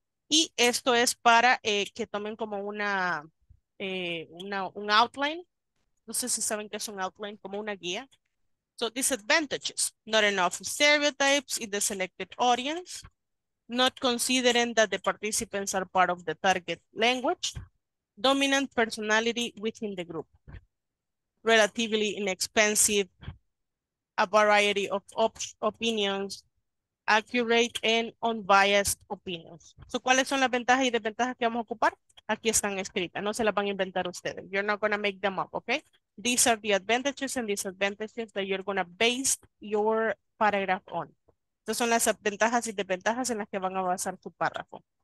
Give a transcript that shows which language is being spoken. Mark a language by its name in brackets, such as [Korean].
[Spanish] Y esto es para que tomen como un outline. No sé si saben qué es un outline, como una guía. [English] So, disadvantages, not enough stereotypes in the selected audience. Not considering that the participants are part of the target language, dominant personality within the group, relatively inexpensive, a variety of opinions, accurate and unbiased opinions. [Spanish] So, ¿cuáles son las ventajas y desventajas que vamos a ocupar? Aquí están escritas, no se las van a inventar ustedes. [English] You're not going to make them up, okay? These are the advantages and disadvantages that you're going to base your paragraph on. [Spanish] Estas son las ventajas y desventajas en las que van a basar su párrafo.